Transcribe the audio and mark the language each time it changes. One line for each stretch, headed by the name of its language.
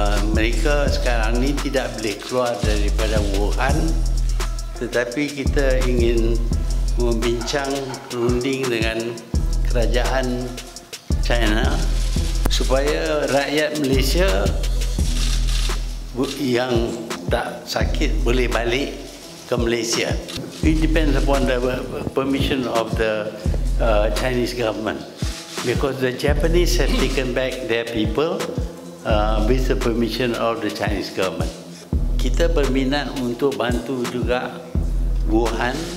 Malay: Mereka sekarang ini tidak boleh keluar daripada Wuhan, tetapi kita ingin membincang runding dengan kerajaan China supaya rakyat Malaysia yang tak sakit boleh balik ke Malaysia.
English: It depends upon the permission of the Chinese government, because the Japanese have taken back their people with the permission of the Chinese government.
Malay: Kita berminat untuk bantu juga Wuhan.